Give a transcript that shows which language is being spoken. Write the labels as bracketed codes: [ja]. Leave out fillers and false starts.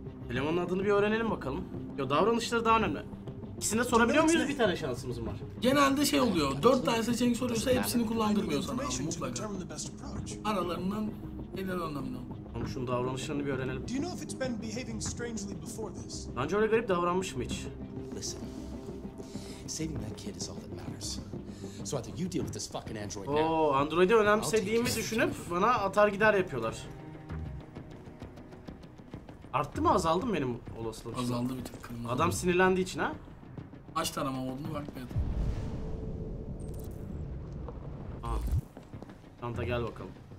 [tr] Elemanın adını bir öğrenelim bakalım. Yo davranışları daha önemli. İkisine sorabiliyor muyuz? Bir tane şansımız var. Genelde şey oluyor. Dört tane seçenek soruyorsa hepsini kullandırmıyor sana abi mutlaka. Aralarından neden anlamlı. Tamam şunun davranışlarını bir öğrenelim. [en] Do you know if it's been behaving strangely before this? [tr] Bence öyle garip davranmış mı hiç? [en] Listen. Saving that kid is all that matters. So either you deal with this fucking android now. [tr] Oo, android'i önemsediğimi düşünüp bana atar gider yapıyorlar. Arttı mı azaldı mı benim olasılığım? Azaldı bir tık. Kırmızı. Adam sinirlendiği için ha? Aç tarama modunu bakmayalım. Aha. Tanta gel bakalım.